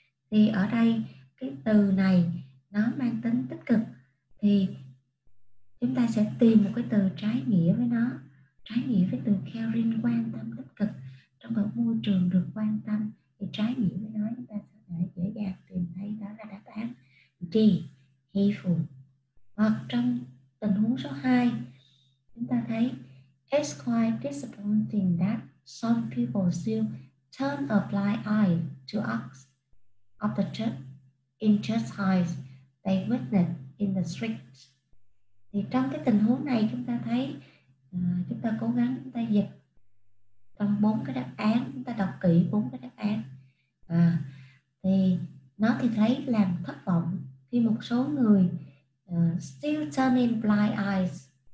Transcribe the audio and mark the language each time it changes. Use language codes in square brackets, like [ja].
[vi] Thì ở đây cái từ này nó mang tính tích cực, thì chúng ta sẽ tìm một cái từ trái nghĩa với nó, trái nghĩa với từ caring, quan tâm tích cực, trong một môi trường được quan tâm, thì trái nghĩa với nó chúng ta sẽ dễ dàng tìm thấy đó là đáp án D, helpful. Hoặc trong tình huống số 2, chúng ta thấy [en] it's quite disappointing that some people still turn a blind eye to acts of the injustice they witness in the street. [vi] Thì trong cái tình huống này chúng ta thấy chúng ta cố gắng chúng ta dịch trong bốn cái đáp án, chúng ta đọc kỹ bốn cái đáp án. Thì nó thì thấy làm thất vọng khi một số người [en] still turning blind eyes.